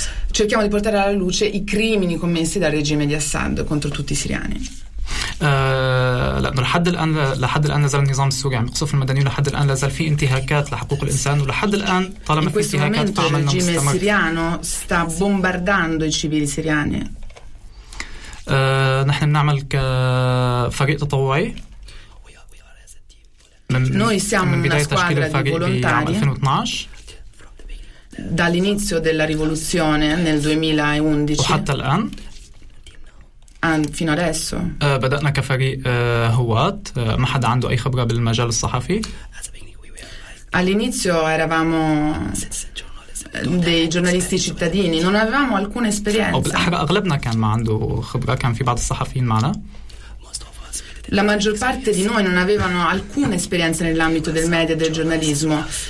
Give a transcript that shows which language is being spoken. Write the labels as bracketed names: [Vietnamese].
[Italian] Cerchiamo di portare alla luce i crimini commessi dal regime di Assad contro tutti i siriani. [Arabic] لحد الآن لا زال النظام السوري عم يقصف المدنيين، لحد الآن لا زال في انتهاكات لحقوق الإنسان، ولحد الآن طالما في انتهاكات فعملنا مستمر. [Italian] In questo momento il regime siriano sta bombardando i civili siriani. [Arabic] نحن بنعمل كفريق تطوعي. [Italian] Noi siamo una squadra di volontari. Dall'inizio della rivoluzione nel 2011 fino adesso [Arabic] بدأنا كفريق هوات ما حد عنده أي خبرة بالمجال الصحفي. [Italian] All'inizio eravamo dei giornalisti cittadini, non avevamo alcuna esperienza. [Arabic] أغلبنا كان ما عنده خبرة، كان في بعض الصحفيين معنا. [Italian] La maggior parte di noi non avevano alcuna esperienza nell'ambito del media e del giornalismo.